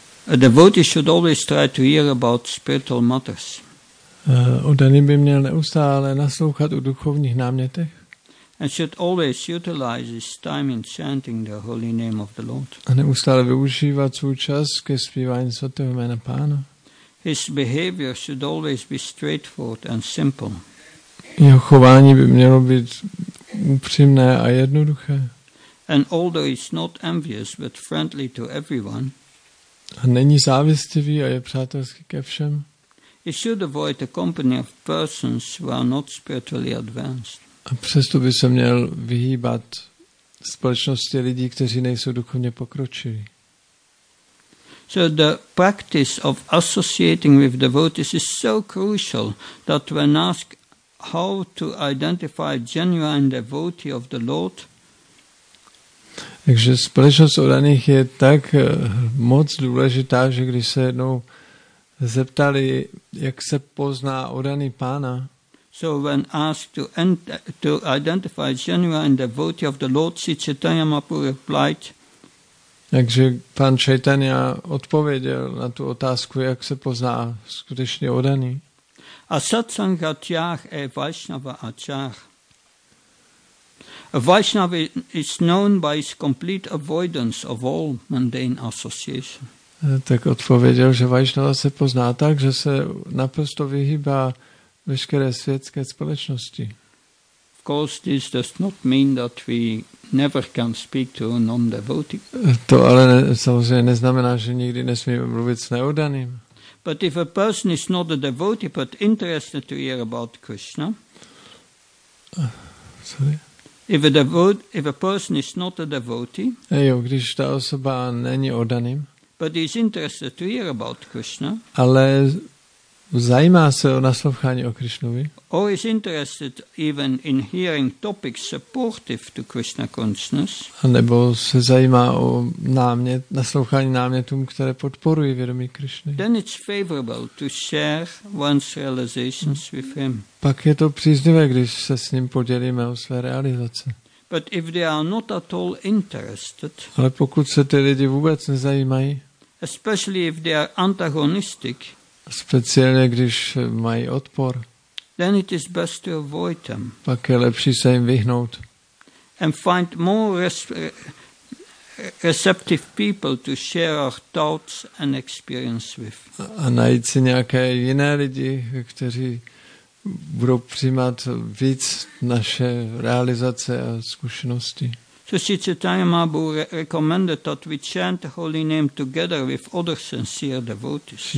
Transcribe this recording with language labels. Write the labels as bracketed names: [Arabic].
[English] A devotee should always try to hear about spiritual matters. [Czech] Oddaný by měl neustále naslouchat o duchovních námětech. [English] And should always utilize his time in chanting the holy name of the Lord. [Czech] A neustále využívat svůj čas ke zpívání svatého jména Pána. [English] His behavior should always be straightforward and simple. [Czech] Jeho chování by mělo být upřímné a jednoduché. [English] And although he's not envious, but friendly to everyone. [Czech] A není závistivý a je přátelský ke všem. [English] He should avoid the company of persons who are not spiritually advanced. [Czech] A přesto by se měl vyhýbat společnosti lidí, kteří nejsou duchovně pokročilí. [English] So the practice of associating with devotees is so crucial that when asked how to identify genuine devotee of the Lord, [Czech] takže společnost odaných je tak moc důležitá, že když se jednou zeptali, jak se pozná odaný pána, [English] so when asked to identify genuine devotee of the Lord, Sri Chaitanya Mahaprabhu replied, [Czech] takže pan Chaitanya odpověděl na tu otázku, jak se pozná skutečně odaný. [Sanskrit] A satsanga tyah e vaishnava achar. [English] A Vaishnava is known by his complete avoidance of all mundane association. [Czech] Tak odpověděl, že Vaishnava se pozná tak, že se naprosto vyhýbá veškeré světské společnosti. [English] Of course, this does not mean that we never can speak to a non-devotee. [Czech] To ale samozřejmě neznamená, že nikdy nesmíme mluvit s neodaným. [English] But if a person is not a devotee but interested to hear about Krishna, if a person is not a devotee, [Czech] když ta osoba není odaným, [English] but is interested to hear about Krishna, [Czech] ale zajímá se o naslouchání o Krišnovi, [English] or is interested even in hearing topics supportive to Krishna consciousness, [Czech] anebo se zajímá o námět, naslouchání námětům, které podporují vědomí Krišny, [English] then it's favorable to share one's realizations with him. [Czech] Pak je to příznivé, když se s ním podělíme o své realizace. [English] But if they are not at all interested, [Czech] ale pokud se ty lidi vůbec nezajímají, [English] especially if they are antagonistic, [Czech] speciálně když mají odpor, [English] then it is best to avoid them. [Czech] Pak je lepší se jim vyhnout. [English] And find more receptive people to share our thoughts and experience with. [Czech] A najít si nějaké jiné lidi, kteří budou přijímat víc naše realizace a zkušenosti. [English] So Sri Chaitanya Mahaprabhu recommended that we chant the holy name together with other sincere devotees.